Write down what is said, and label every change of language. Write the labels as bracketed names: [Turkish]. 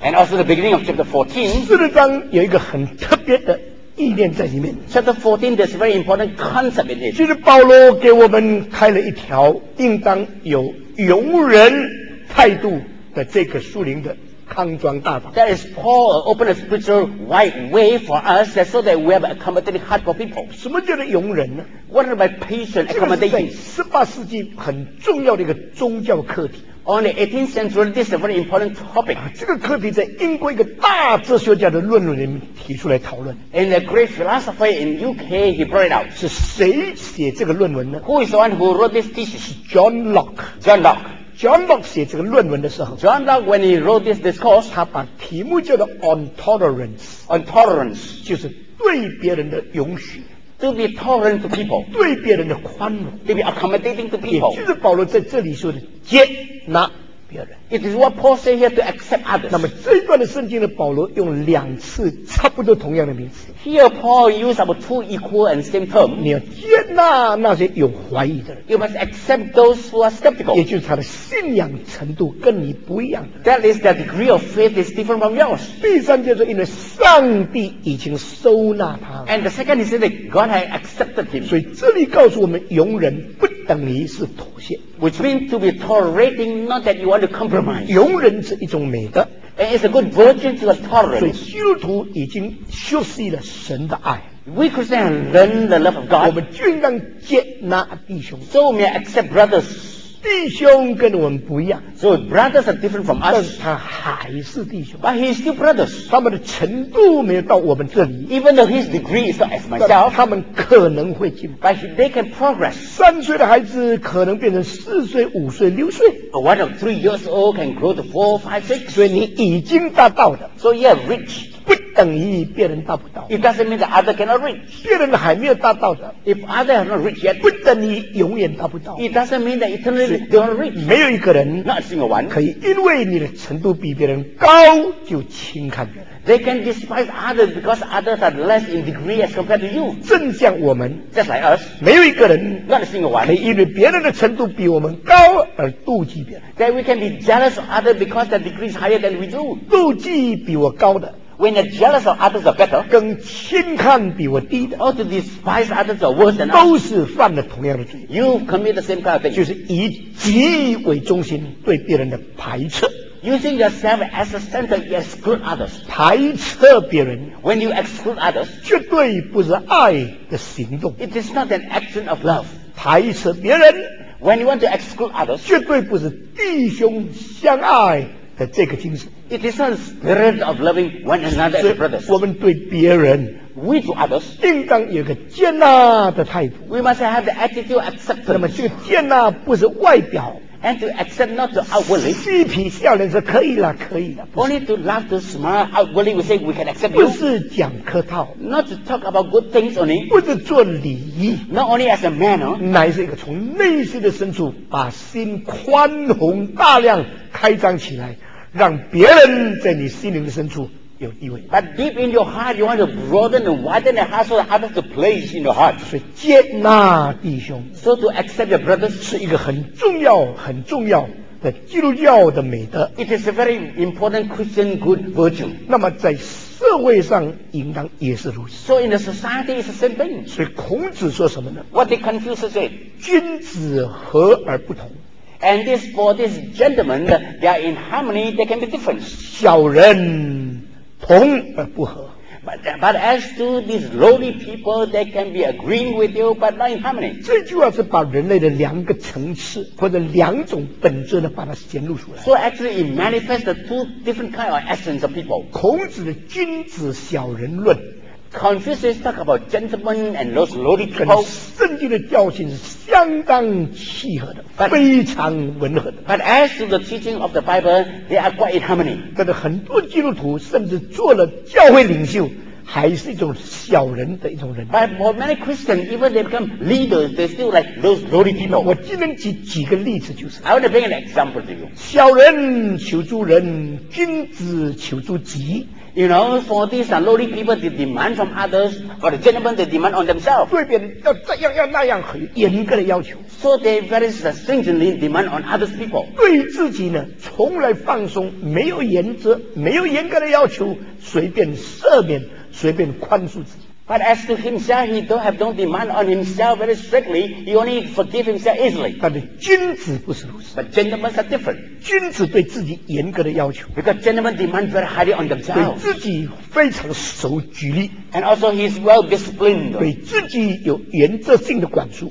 [English] And also the beginning of chapter 14。 [Chinese] 十四章有一个很特别的意念在里面。 [English] Chapter 14 there's a very important concept in it。 [Chinese] 就是保罗给我们开了一条应当有容忍态度的这个属灵的康庄大道。 [English] That is Paul opened a spiritual wide way for us, so that we have accommodating heart for people. [Chinese] 什么叫做容忍呢 [English] ？What about patient accommodation？ [Chinese] 这个是在十八世纪很重要的一个宗教课题。 [English] On the 18th century, this is a very important topic.、啊、 [Chinese] 这个课题在英国一个大哲学家的论文里面提出来讨论。 [English] And a great philosopher in UK, he brought it out. [Chinese] 是谁写这个论文呢 [English] ？Who is the one who wrote this thesis？ [Chinese] 是 John Locke. [English] John Locke. [Chinese] John Locke 写这个论文的时候 [English] ，John Locke when he wrote this discourse， [Chinese] 他把题目叫做 [English] on tolerance， on tolerance [Chinese] 就是对别人的容许 [English] ，to be tolerant to people， [Chinese] 对别人的宽容 [English] ，to be accommodating to people， [Chinese] 也就是保罗在这里说的接纳别人。 [English] It is what Paul said here to accept others。 [Chinese] 那么这一段的圣经呢，保罗用两次差不多同样的名词。 [English] Here Paul used about two equal and same terms。 [Chinese] 你要接纳那些有怀疑的人。 [English] You must accept those who are skeptical。 [Chinese] 也就是他的信仰程度跟你不一样。 [English] That is the degree of faith is different from yours。 [Chinese] 第三节说，因为上帝已经收纳他。 [English] And the second is that God has accepted him。 [Chinese] 所以这里告诉我们，容忍不等于是妥协。 [English] Which means to be tolerating, not that you want to compromise。 [Chinese] 容忍是一种美德 [English] And it's a good virtue to the tolerance. [Chinese] 所以基督徒已经学习了神的爱 [English] We Christians learn the love of God. [Chinese] 我们就应当接纳弟兄 [English] So we may accept brothers. [Chinese] 弟兄跟我们不一样 [English] So brothers are different from us. [Chinese] 但是他还是弟兄 [English] But he is still brothers. [Chinese] 他们的程度没有到我们这里 [English] Even though his degree is not as myself. [Chinese] 他们可能会进步 [English] But they can progress. [Chinese] 三岁的孩子可能变成四岁、五岁、六岁 [English] A one of 3 years old can grow to 4, 5, 6. [Chinese] 所以你已经达到了。 [English] So you have reached. [Chinese] 不等于别人达不到。 [English] It doesn't mean that other cannot reach. [Chinese] 别人还没有达到的。 [English] If other have not reached yet. [Chinese] 不等于永远达不到。 [English] It doesn't mean that eternally don't reach. [Chinese] 没有一个人。 [English] Not a single one. [Chinese] 可以因为你的程度比别人高就轻看别人。 [English] They can despise others because others are less in degree as compared to you. [Chinese] 正像我们 [English] Just like us. [Chinese] 没有一个人 [English] Not a single one. [Chinese] 可以因为别人的程度比我们高而妒忌别人。 [English] That we can be jealous of others because their degree is higher than we do. [Chinese] 妒忌比我高的 [English] When you're jealous of others are better. [Chinese] 更轻看比我低的 [English] Or to despise others are worse than us. [Chinese] 都是犯了同样的罪。 [English] You've committed the same kind of thing. [Chinese] 就是以己为中心对别人的排斥。 [English] Using yourself as a center, you exclude others. [Chinese] 排斥别人 [English] When you exclude others, [Chinese] 绝对不是爱的行动 [English] It is not an action of love. [Chinese] 排斥别人 [English] When you want to exclude others, [Chinese] 绝对不是弟兄相爱的这个精神。 [English] It is a spirit of loving one another as brothers. [Chinese] 我们对别人 [English] ，we to others， [Chinese] 应当有个接纳的态度。 [English] We must have the attitude of acceptance. [Chinese] 那么这个接纳不是外表。 [English] And to accept not to outwardly. [Chinese] 嬉皮笑脸是可以了，可以了。 [English] Only to laugh to smile outwardly, we say we can accept you. [Chinese] 不是讲客套。 [English] Not to talk about good things only. [Chinese] 不是做礼仪。 [English] Not only as a manner. [Chinese] 乃是一个从内心的深处把心宽宏大量开张起来，让别人在你心灵的深处有地位。 [English] But deep in your heart, you want to broaden and widen the heart so that others to place in your heart. [Chinese] 所以接纳弟兄 [English] ，so to accept your brothers [Chinese] 是一个很重要、很重要的基督教的美德。 [English] It is a very important Christian good virtue. [Chinese] 那么在社会上应当也是如此。 [English] So in the society, it's the same thing. [Chinese] 所以孔子说什么呢 [English] ？What did Confucius say? [Chinese] 君子和而不同。 [English] And this for this gentleman, they are in harmony. They can be different. [Chinese] 小人。同而不合 [English] but as to these lowly people, they can be agreeing with you, but not in harmony. [Chinese] 这句话是把人类的两个层次或者两种本质呢，把它显露出来。 [English] So actually, it manifests the two different kind of essence of people. [Chinese] 孔子的君子小人论 [English] Confucius talk about gentlemen and those lowly people. [Chinese] 跟圣经的教训是相当契合的， [English] but, [Chinese] 非常吻合的。 [English] But as to the teaching of the Bible, they are quite in harmony. [Chinese] 但是很多基督徒甚至做了教会领袖，还是一种小人的一种人。 [English] But for many Christians, even they become leaders, they're still like those lowly people. [Chinese] 我只能举几个例子，就是。 [English] I want to bring an example to you. [Chinese] 小人求诸人，君子求诸己。 [English] You know, for these lowly people, they demand from others, for the gentlemen, they demand on themselves. [Chinese] 对别人要这样要那样，很严格的要求。 [English] So they very stringently demand on other people. [Chinese] 对自己呢，从来放松，没有原则，没有严格的要求，随便赦免，随便宽恕自己。 [English] But as to himself, he don't have don't demand on himself very strictly. He only forgive himself easily. [Chinese] 但是君子不是如此。 [English] But gentlemen are different. [Chinese] 君子对自己严格的要求。 [English] Because gentlemen demand very highly on themselves. [Chinese] 对自己非常守纪律。 [English] And also he is well disciplined. [Chinese] 对自己有原则性的管束。